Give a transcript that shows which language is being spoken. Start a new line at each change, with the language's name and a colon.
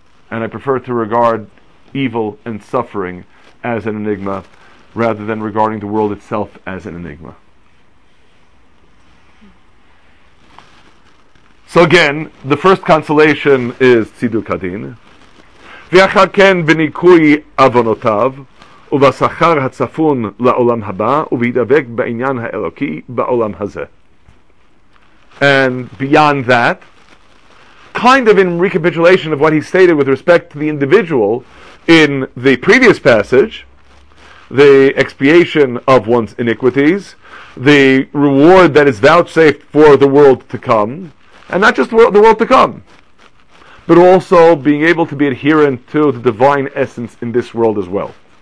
English: And I prefer to regard evil and suffering as an enigma rather than regarding the world itself as an enigma. So again, the first consolation is tziduk adin.
Hebrew: V'achar ken b'nikui avonotav. ובשכר הצפון לעולם הבא ובהידבק בעניין האלוקי בעולם הזה.
English: And beyond that, kind of in recapitulation of what he stated with respect to the individual in the previous passage, the expiation of one's iniquities, the reward that is vouchsafed for the world to come, and not just the world to come, but also being able to be adherent to the divine essence in this world as well.